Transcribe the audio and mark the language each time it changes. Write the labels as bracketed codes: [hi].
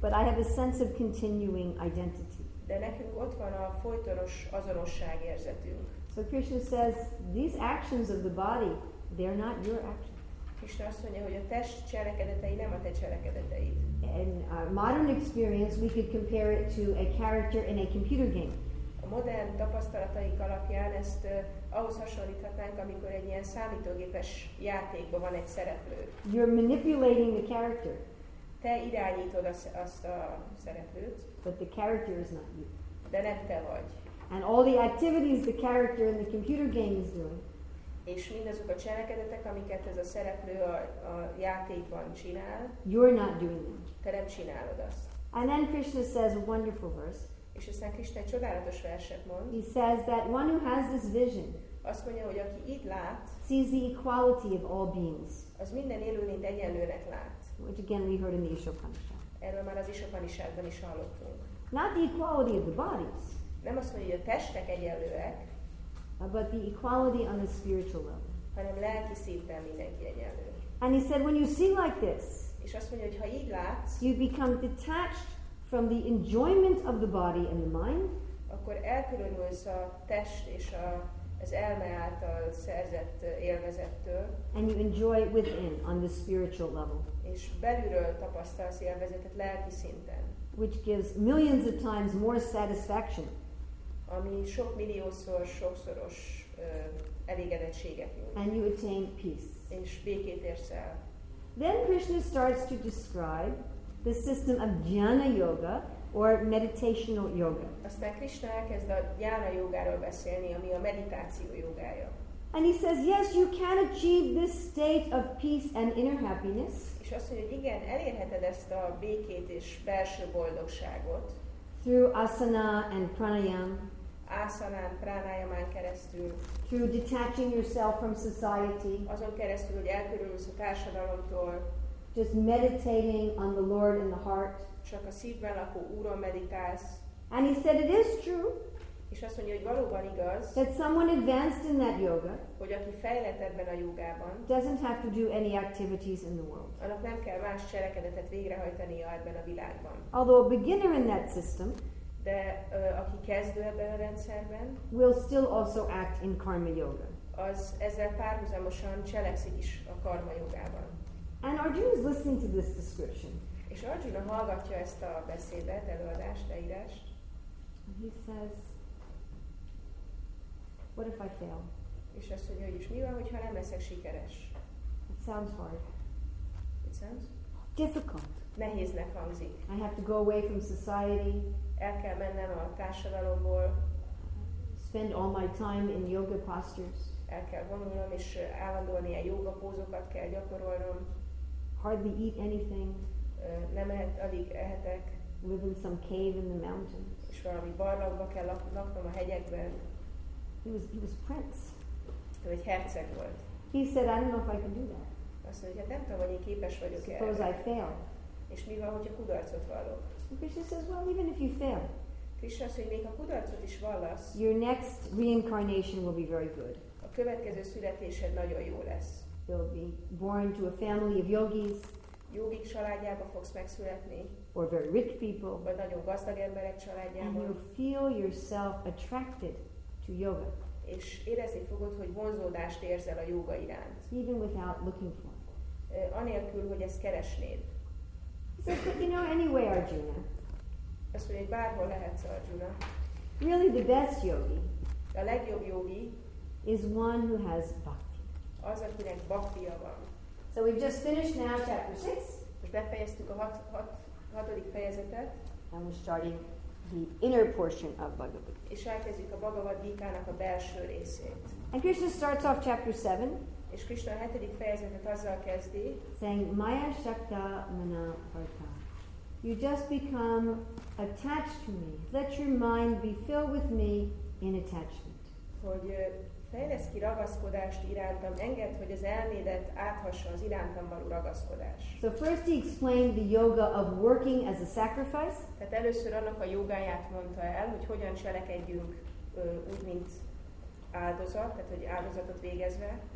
[en] But I have a sense of continuing identity. [hu] De nekünk ott van a folytonos azonosság érzetünk. [en] So Krishna says, these actions of the body, they're not your actions. [hu] Krishna azt mondja, hogy a test cselekedetei nem a te cselekedeteid. [en] In our modern experience, we could compare it to a character in a computer game. [hu] A modern tapasztalataink alapján ezt ahhoz hasonlíthatnánk, amikor egy ilyen számítógépes játékban van egy szereplő. [en] You're manipulating the character. [hu] Te irányítod azt a szereplőt. [en] But the character is not you. [hu] De nem te vagy. [en] And all the activities the character in the computer game is doing. [hu] És mindazok a cselekedetek, amiket ez a szereplő a játékban csinál. [en] You're not doing them. [hu] Te nem csinálod azt. [en] And then Krishna says a wonderful verse. [hu] És aztán Krishna egy csodálatos verset mond. [en] He says that one who has this vision. [hu] Azt mondja, hogy aki itt lát. [en] Sees the equality of all beings. [hu] Az minden élőlényt egyenlőnek lát. [en] Which again we heard in the Isopanishad. [hu] Erről már az Isopanishadban is hallottunk. [en] Not the equality of the bodies. [hu] Nem azt mondja, hogy a testek egyenlőek. [en] But the equality on the spiritual level. [hu] Hanem lelki szinten mindenki egyenlő. [en] And he said, when you see like this, [hu] és azt mondja, hogy ha így látsz, [en] you become detached from the enjoyment of the body and the mind, [hu] akkor elkülönülsz a test és az elme által szerzett élvezettől, [en] and you enjoy within on the spiritual level, [hu] és belülről tapasztalsz élvezetet lelki szinten, [en] which gives millions of times more satisfaction. [hu] Ami sok milliószor, sokszoros elégedettséget nyújt. [en] And you attain peace. [hu] És békét érsz el. [en] Then Krishna starts to describe the system of jnana yoga or meditational yoga. [hu] Aztán Krishna elkezd a jnana jogáról beszélni, ami a meditáció jogája. [en] And he says, yes, you can achieve this state of peace and inner happiness. [hu] És azt mondja, hogy igen, elérheted ezt a békét és belső boldogságot. [en] Through asana and pranayam. [hu] Asanán, pranayamán keresztül. [en] Through detaching yourself from society. [hu] Azon keresztül, hogy elkülönülsz a társadalomtól. [en] Just meditating on the Lord in the heart. [hu] Csak a szívben lakó úron meditálsz. [en] And he said it is true. [hu] És azt mondja, hogy valóban igaz. [en] That someone advanced in that yoga. [hu] Hogy aki fejlett ebben a jogában. [en] Doesn't have to do any activities in the world. [hu] Annak nem kell más cselekedetet végrehajtania ebben a világban. [en] Although a beginner in that system. [hu] De aki kezdő ebben a rendszerben, [en] will still also act in karma yoga. [hu] Az ezzel párhuzamosan cselekszik is a karma jogában. [en] And Arjuna is listening to this description. [hu] És Arjuna hallgatja ezt a beszédet, előadást, leírást. [en] He says, what if I fail? [hu] És azt mondja, hogy is mi van, hogyha nem leszek sikeres? [en] It sounds hard. It sounds? Difficult. [hu] Nehéznek hangzik. [en] I have to go away from society. [hu] El kell mennem a társadalomból. [en] Spend all my time in yoga postures. [hu] El kell vonulnom, és állandóan ilyen yoga pózokat kell gyakorolnom. [en] Hardly eat anything. [hu] Nem ehet, alig ehetek. [en] Live in some cave in the mountains. [hu] És valami barlangba kell laknom a hegyekben. [en] He was prince. [hu] Ő egy herceg volt. [en] He said, I don't know if I can do that. [hu] Azt mondja, hogy hát nem tudom, hogy én képes vagyok [en] erre. Suppose I fail. [hu] És mi van, hogyha kudarcot vallok? [en] Krishna says, well, even if you fail, [hu] Krishna azt, hogy még a kudarcot is vallasz, [en] your next reincarnation will be very good. [hu] A következő születésed nagyon jó lesz. [en] You'll be born to a family of yogis. [hu] Yogik családjába fogsz megszületni. [en] Or very rich people. [hu] Vagy nagyon gazdag emberek családjába. [en] And you'll feel yourself attracted to yoga. [hu] És érezni fogod, hogy vonzódást érzel a jóga iránt. [en] Even without looking for it. [hu] Anélkül, hogy ezt keresnéd. [en] So, you know, anyway, Arjuna. [hu] Azt mondja, hogy bárhol lehetsz, Arjuna. [en] Really, the best yogi. [hu] A legjobb yogi. [en] Is one who has bhakti. [hu] Az, akinek bhaktia van. [en] So we've just finished now chapter 6. [hu] Most befejeztük a hatodik fejezetet. [en] And we're starting the inner portion of Bhagavad Gita. [hu] És elkezdjük a Bhagavad Gita-nak a belső részét. [en] And Krishna starts off chapter 7. [hu] És Krishna a hetedik fejezetet azzal kezdi. [sa] Saying, Maya Shakta Mana Parta. [en] You just become attached to me. Let your mind be filled with me in attachment. [hu] Hogy fejlesz ki ragaszkodást irántam. Engedd, hogy az elmédet áthassa az irántam való ragaszkodás. [en] So first he explained the yoga of working as a sacrifice. [hu] Tehát először annak a jogáját mondta el, hogy hogyan cselekedjünk úgy, mint áldozat, tehát hogy áldozatot végezve.